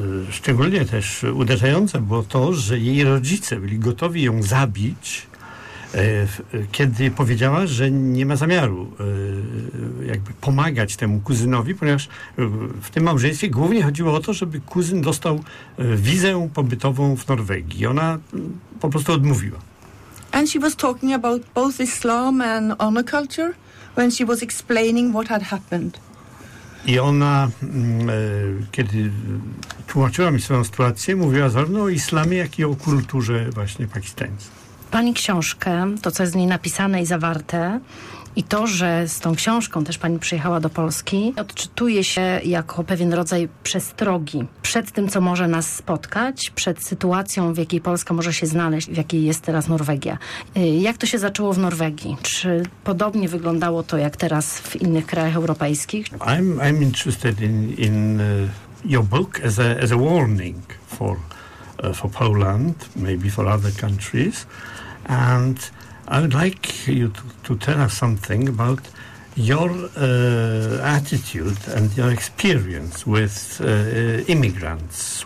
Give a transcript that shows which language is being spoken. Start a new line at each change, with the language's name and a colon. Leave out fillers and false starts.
Polish: Szczególnie też uderzające było to, że jej rodzice byli gotowi ją zabić, kiedy powiedziała, że nie ma zamiaru jakby pomagać temu kuzynowi, ponieważ w tym małżeństwie głównie chodziło o to, żeby kuzyn dostał wizę pobytową w Norwegii. Ona po prostu odmówiła.
English: And she was talking about both Islam and honor culture when she was explaining what had happened.
Polish: I ona, kiedy tłumaczyła mi swoją sytuację, mówiła zarówno o islamie, jak i o kulturze właśnie pakistańskiej. Pani książkę, to co jest w niej napisane i zawarte, i to, że z tą książką też pani przyjechała do Polski, odczytuje się jako pewien rodzaj przestrogi przed tym, co może nas spotkać, przed sytuacją, w jakiej Polska może się znaleźć, w jakiej jest teraz Norwegia. Jak to się zaczęło w Norwegii? Czy podobnie wyglądało to, jak teraz w innych krajach europejskich?
English: I'm interested in your book as a warning for Poland, maybe for other countries, and I would like you to tell us something about your attitude and your experience with immigrants.